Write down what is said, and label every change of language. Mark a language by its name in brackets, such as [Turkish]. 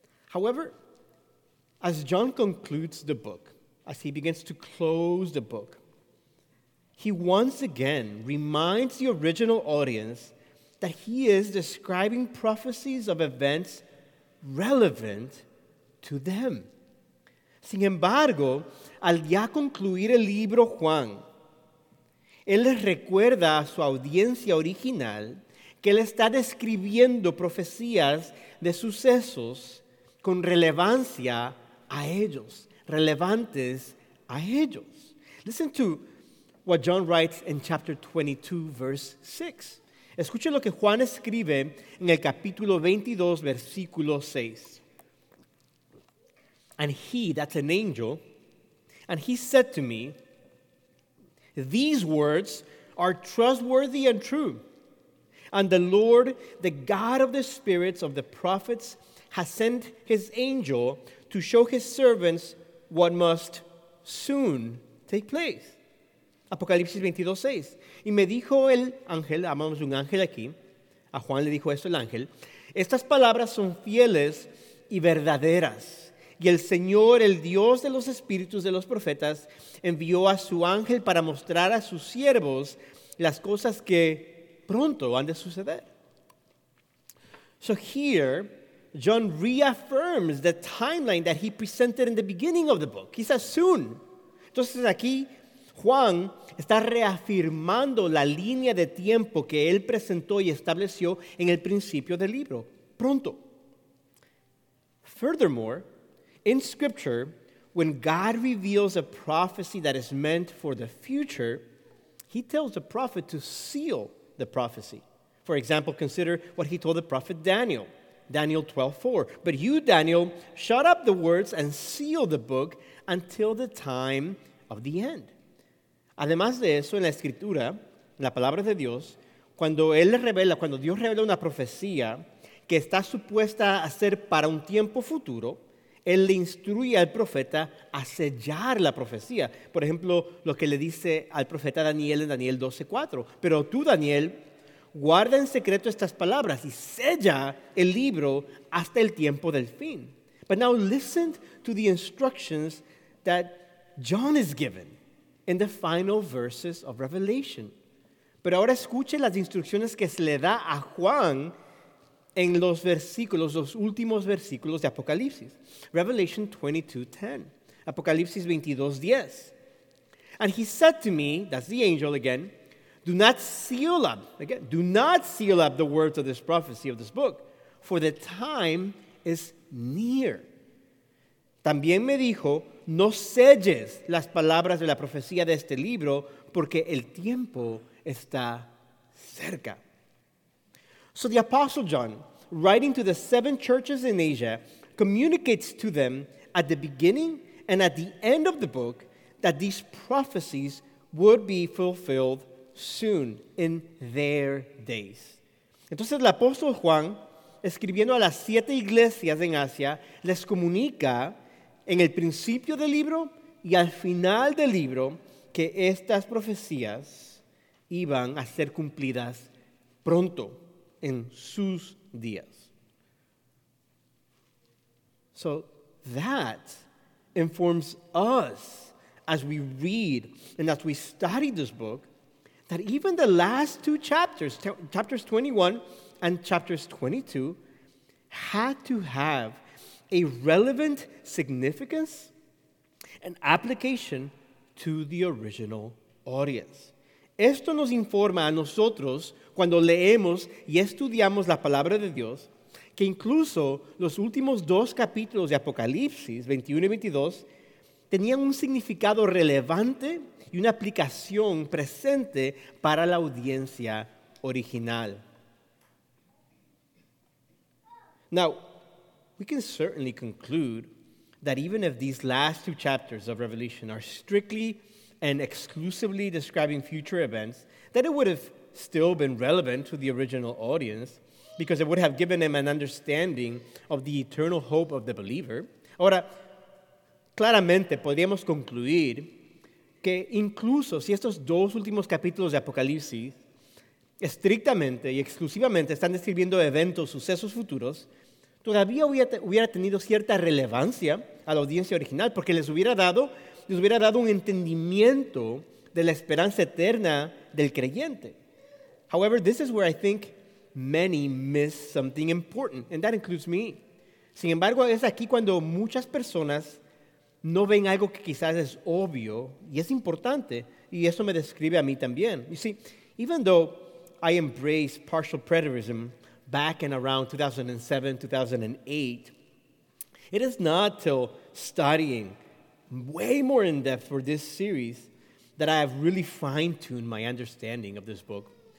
[English] However, as John concludes the book, as he begins to close the book, he once again reminds the original audience that he is describing prophecies of events relevant to them. [Spanish] Sin embargo, al ya concluir el libro Juan, él les recuerda a su audiencia original que él está describiendo profecías de sucesos con relevancia a ellos, relevantes a ellos. [English] Listen to what John writes in chapter 22, verse 6. [Spanish] Escuche lo que Juan escribe en el capítulo 22, versículo 6. [English] And he, that's an angel, and he said to me, these words are trustworthy and true. And the Lord, the God of the spirits of the prophets, has sent his angel to show his servants what must soon take place. [Spanish] Apocalipsis 22:6. Y me dijo el ángel, amamos un ángel aquí, a Juan le dijo esto el ángel, estas palabras son fieles y verdaderas. Y el Señor, el Dios de los espíritus de los profetas, envió a su ángel para mostrar a sus siervos las cosas que pronto han de suceder. [English] So here, John reaffirms the timeline that he presented in the beginning of the book. He says soon. [Spanish] Entonces aquí, Juan está reafirmando la línea de tiempo que él presentó y estableció en el principio del libro. Pronto. [English] Furthermore, in Scripture, when God reveals a prophecy that is meant for the future, he tells the prophet to seal the prophecy. For example, consider what he told the prophet Daniel. Daniel 12:4. But you, Daniel, shut up the words and seal the book until the time of the end. [Spanish] Además de eso, en la Escritura, en la Palabra de Dios, cuando Él revela, cuando Dios revela una profecía que está supuesta a ser para un tiempo futuro, Él le instruye al profeta a sellar la profecía. Por ejemplo, lo que le dice al profeta Daniel en Daniel 12:4. Pero tú, Daniel, guarda en secreto estas palabras y sella el libro hasta el tiempo del fin. [English] But now listen to the instructions that John is given in the final verses of Revelation. [Spanish] Pero ahora escuche las instrucciones que se le da a Juan en los versículos, los últimos versículos de Apocalipsis. [English] Revelation 22:10. [Spanish] Apocalipsis 22:10. [English] And he said to me, that's the angel again, Do not seal up the words of this prophecy of this book, for the time is near. [Spanish] También me dijo, no selles las palabras de la profecía de este libro, porque el tiempo está cerca. [English] So the Apostle John writing to the seven churches in Asia, communicates to them at the beginning and at the end of the book that these prophecies would be fulfilled soon in their days. [Spanish] Entonces, el apóstol Juan, escribiendo a las siete iglesias en Asia, les comunica en el principio del libro y al final del libro que estas profecías iban a ser cumplidas pronto en sus días. [English] So that informs us as we read and as we study this book that even the last two chapters, chapters 21 and chapters 22, had to have a relevant significance and application to the original audience. [Spanish] Esto nos informa a nosotros cuando leemos y estudiamos la palabra de Dios que incluso los últimos dos capítulos de Apocalipsis, 21 y 22, tenían un significado relevante y una aplicación presente para la audiencia original. [English] Now, we can certainly conclude that even if these last two chapters of Revelation are strictly and exclusively describing future events, that it would have still been relevant to the original audience because it would have given them an understanding of the eternal hope of the believer. [Spanish] Ahora, claramente podríamos concluir que incluso si estos dos últimos capítulos de Apocalipsis estrictamente y exclusivamente están describiendo eventos, sucesos futuros, todavía hubiera tenido cierta relevancia a la audiencia original porque les hubiera dado un entendimiento de la esperanza eterna del creyente. [English] However, this is where I think many miss something important, and that includes me. [Spanish] Sin embargo, es aquí cuando muchas personas no ven algo que quizás es obvio y es importante, y eso me describe a mí también. [English] You see, even though I embraced partial preterism back in around 2007, 2008, it is not till studying way more in depth for this series that I have really fine-tuned my understanding of this book.